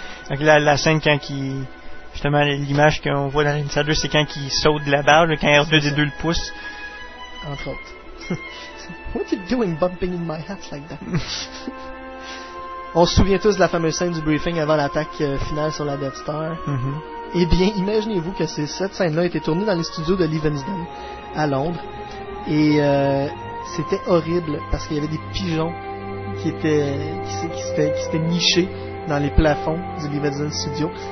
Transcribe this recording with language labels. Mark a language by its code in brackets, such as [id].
[fr] Donc la scène quand qui justement l'image qu'on voit dans l'épisode 2, c'est quand qui saute de la barre, quand R2-D2 le pousse. Entre autres. [en] What are you doing bumping in my hat like that? [fr] On se souvient tous de la fameuse scène du briefing avant l'attaque finale sur la Death Star. Mm-hmm. Eh bien, imaginez-vous que cette scène-là a été tournée dans les studios de Livingston à Londres. Et c'était horrible parce qu'il y avait des pigeons qui s'étaient nichés dans les plafonds du Livingston Studio.